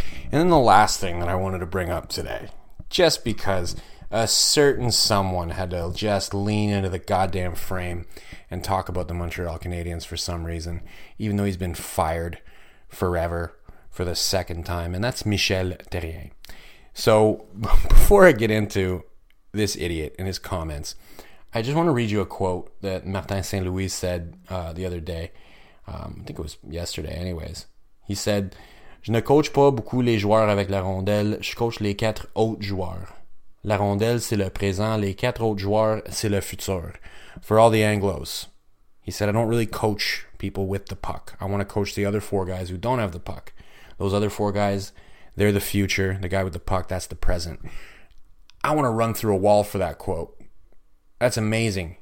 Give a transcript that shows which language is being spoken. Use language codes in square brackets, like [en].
[en] And then the last thing that I wanted to bring up today, just because a certain someone had to just lean into the goddamn frame and talk about the Montreal Canadiens for some reason, even though he's been fired forever for the second time, and that's Michel Therrien. So before I get into this idiot and his comments, I just want to read you a quote that Martin Saint-Louis said the other day. I think it was yesterday anyways. He said, [fr] "Je ne coach pas beaucoup les joueurs avec la rondelle, je coach les quatre autres joueurs. La rondelle, c'est le présent. Les quatre autres joueurs, c'est le futur." [en] For all the Anglos, he said, "I don't really coach people with the puck. I want to coach the other four guys who don't have the puck. Those other four guys, they're the future. The guy with the puck, that's the present." I want to run through a wall for that quote. That's amazing.